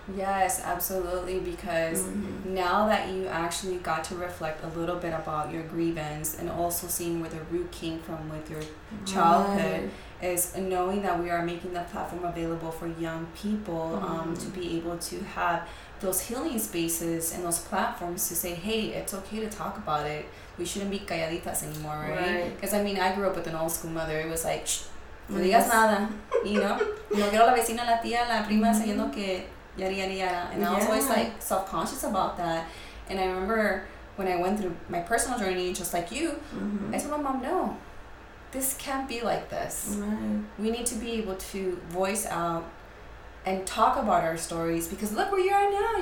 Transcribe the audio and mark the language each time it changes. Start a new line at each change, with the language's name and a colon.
English: Yes, absolutely, because now that you actually got to reflect a little bit about your grievance and also seeing where the root came from with your childhood, is knowing that we are making the platform available for young people to be able to have those healing spaces and those platforms to say, hey, it's okay to talk about it. We shouldn't be
Spanish: calladitas
English: anymore, right? Because, I mean, I grew up with an old school mother. It was like, shh,
Spanish: no digas nada,
English: you know?
Spanish: No quiero la vecina, la tía, la prima, sabiendo que yada, yada, yada.
English: And I was always, like, self-conscious about that. And I remember when I went through my personal journey, just like you, I told my mom, no. This can't be like this. Right. We need to be able to voice out and talk about our stories because look where you are now.